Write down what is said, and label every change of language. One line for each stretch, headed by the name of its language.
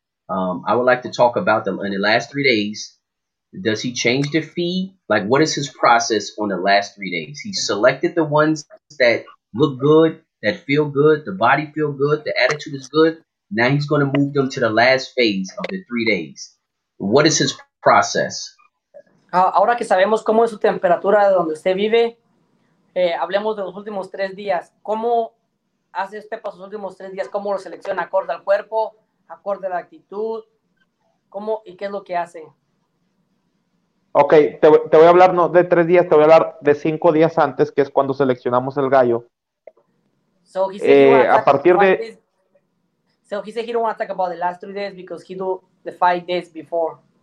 English: I would like to talk about the last 3 days. Does he change the feed? Like, what is his process on the last 3 days? He selected the ones that look good, that feel good, the body feel good, the attitude is good. Now he's going to move them to the last phase of the 3 days. What is his process?
Spanish: Ahora que sabemos cómo es su temperatura de donde usted vive, hablemos de los últimos 3 días. ¿Cómo hace usted para sus últimos 3 días? ¿Cómo lo selecciona? ¿Acorde al cuerpo? ¿Acorde a la actitud? ¿Cómo y qué es lo que hace? Ok, te voy a hablar no de 3 días, te voy a hablar de 5 días antes, que es cuando seleccionamos el gallo.
English: So he said
Spanish: a partir de...
English: So he said he don't want to talk about the last 3 days because he do the 5 days before.